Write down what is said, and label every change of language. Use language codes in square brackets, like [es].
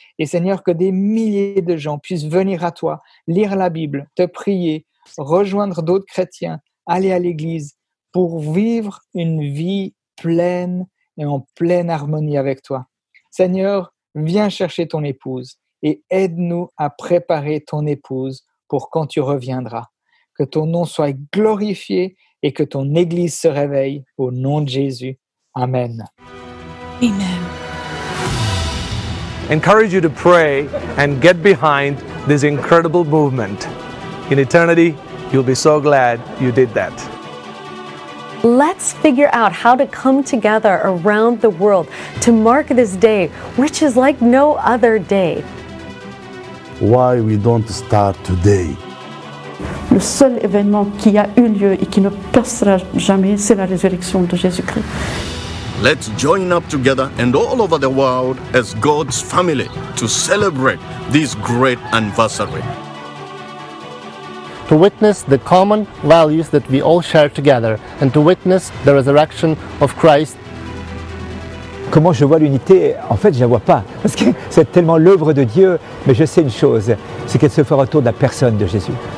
[fr] Et Seigneur, que des milliers de gens puissent venir à toi, lire la Bible, te prier, rejoindre d'autres chrétiens, aller à l'église pour vivre une vie pleine et en pleine harmonie avec toi. Seigneur, viens chercher ton épouse et aide-nous à préparer ton épouse pour quand tu reviendras. Que ton nom soit glorifié et que ton Église se réveille au nom de Jésus. Amen. Amen. [en] Encourage you to pray and get behind this incredible movement. In eternity, you'll be so glad you did that. Let's figure out how to come together around the world to mark this day, which is like no other day. Why we don't start today? [fr] Le seul événement qui a eu lieu et qui ne passera jamais, c'est la résurrection de Jésus-Christ. [en] Let's join up together and all over the world as God's family to celebrate this great anniversary. to witness the common values that we all share together and to witness the resurrection of Christ. [fr] Comment je vois l'unité? En fait, je ne la vois pas, parce que c'est tellement l'œuvre de Dieu. Mais je sais une chose, c'est qu'elle se fera autour de la personne de Jésus.